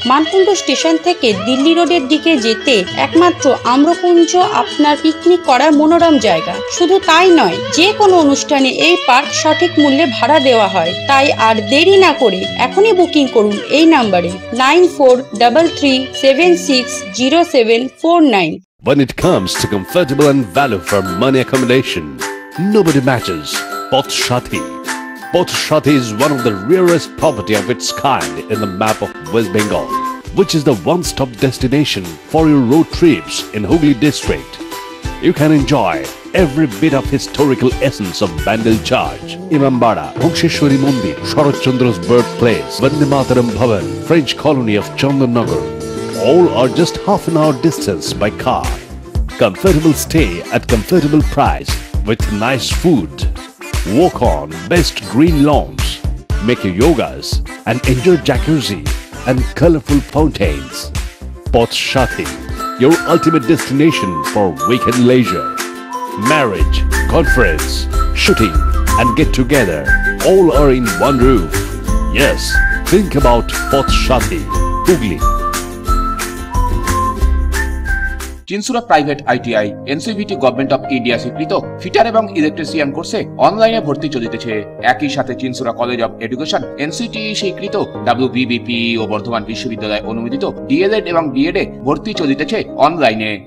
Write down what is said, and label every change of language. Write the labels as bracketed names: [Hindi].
[Bangla] Mankundu station থেকে দিল্লি রোডের দিকে যেতে একমাত্র আম্রকুঞ্জ আপনার পিকনিক করার মনোরম জায়গা। শুধু তাই নয়, যে কোনো অনুষ্ঠানে এই পার্ক সঠিক মূল্যে ভাড়া দেওয়া হয়, তাই আর দেরি না করে এখনই বুকিং করুন এই 9433760749। [English] When it comes to comfortable and value for money accommodation, nobody matches Pothshathi. Pothshathi is one of the rarest property of its kind in the map of West Bengal, which is the one-stop destination for your road trips in Hooghly district. You can enjoy every bit of historical essence of Bandel Charge. Imambara, Bhogsheshwari Mandir, Sharat Chandra's birthplace, Vande Mataram Bhavan, French colony of Chandanagar. All are just half an hour distance by car. Comfortable stay at comfortable price with nice food. Walk on best green lawns. Make your yogas and enjoy jacuzzi and colorful fountains. Potshathi, your ultimate destination for weekend leisure. Marriage, conference, shooting and get together all are in one roof. Yes, think about Potshathi, Hooghly. [Bangla] Chinsurah private ITI NCVT government of India স্বীকৃত fitter এবং electrician কোর্সে অনলাইনে ভর্তি চলিতেছে। একই সাথে Chinsurah college of education NCT স্বীকৃত, WBBPE ও বর্ধমান বিশ্ববিদ্যালয় অনুমোদিত, ডিএলএড এবং বিএড এ ভর্তি চলিতেছে অনলাইনে।